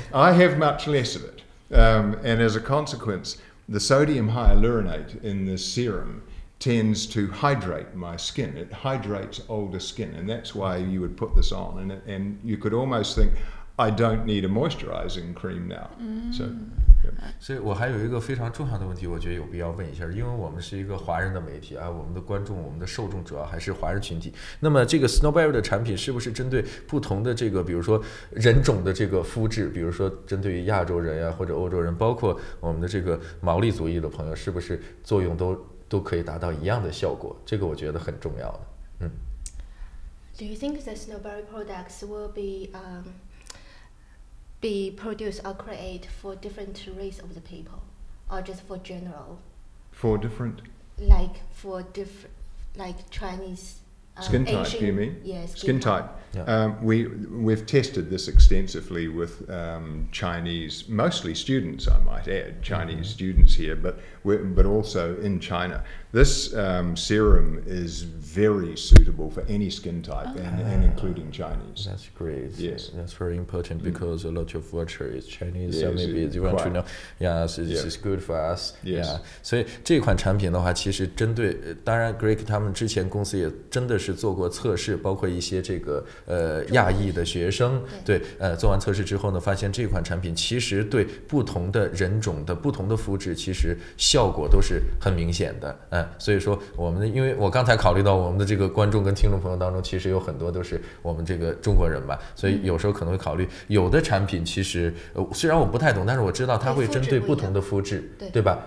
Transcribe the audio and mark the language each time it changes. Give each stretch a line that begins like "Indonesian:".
English: I have much less of it, and as a consequence, the sodium hyaluronate in the serum tends to hydrate my skin. It hydrates older skin, and that's why you would put this on. And you could almost think, I don't need a moisturizing cream now. Mm. So, yeah.
Chinese: 所以我还有一个非常重要的问题，我觉得有必要问一下，因为我们是一个华人的媒体啊，我们的观众，我们的受众主要还是华人群体。那么这个 Snowberry 的产品是不是针对不同的这个，比如说人种的这个肤质，比如说针对于亚洲人呀、啊、或者欧洲人，包括我们的这个毛利族裔的朋友，是不是作用都可以达到一样的效果？这个我觉得很重要的。嗯。
English: Do you think the Snowberry products will be produced or create for different race of the people, or just for general? For different? Like for different, like Chinese, skin type, Asian, do you mean? Yes, skin type. Yeah. We've tested this extensively with Chinese, mostly students, I might add, Chinese mm-hmm. students here, but also in China. This serum is very suitable for any skin type, okay. and including Chinese. That's great. Yes. That's very important because a lot of watcher is Chinese, yes, so maybe you want to know. Yes, this yeah. is good for us. Yes. Yeah.
Chinese: 所以这款产品的话，其实针对，当然 Greg 他们之前公司也真的是做过测试，包括一些这个亚裔的学生，对，做完测试之后呢，发现这款产品其实对不同的人种的不同的肤质，其实效果都是很明显的，所以说我们，因为我刚才考虑到我们的这个观众跟听众朋友当中，其实有很多都是我们这个中国人吧，所以有时候可能会考虑，有的产品其实虽然我不太懂，但是我知道它会针对不同的肤质，对吧？